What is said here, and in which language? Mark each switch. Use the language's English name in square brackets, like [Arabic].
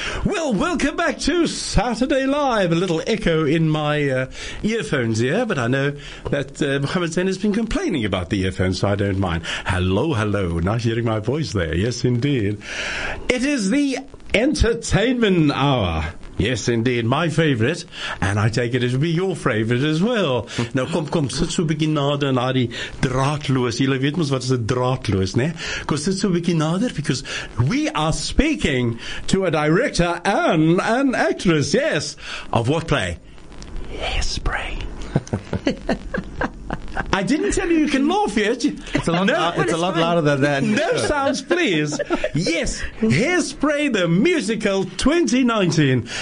[English] Well, welcome back to Saturday Live. A little echo in my earphones here, but I know that Mohammed Zain has been complaining about the earphones, so I don't mind. Hello. Nice hearing my voice there. Yes, indeed. It is the Entertainment Hour. Yes, indeed, my favorite, and I take it it'll be your favorite as well. [Afrikaans] Nou kom sit so 'n bietjie nader na die draadloos. Jy weet mos wat is 'n draadloos, né? Kom sit so 'n bietjie nader [English] because we are speaking to a director and an actress, yes, of what play? Hairspray. I didn't tell you can laugh yet. It's a lot louder than that. No sounds, please. Yes, Hairspray the Musical 2019.